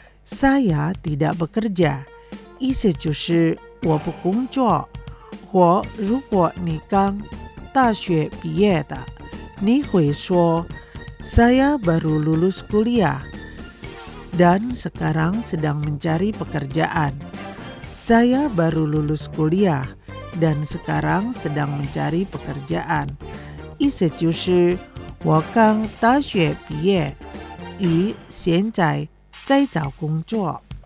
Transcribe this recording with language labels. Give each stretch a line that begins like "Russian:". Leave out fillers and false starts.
Indonesian: saya tidak bekerja.
Chinese: 意思就是我不工作。或如果你刚大学毕业的，你会说
Indonesian: saya baru lulus kuliah dan sekarang sedang mencari pekerjaan. Saya baru lulus kuliah dan sekarang sedang mencari pekerjaan.
Chinese: 意思就是我刚大学毕业，与现在在找工作。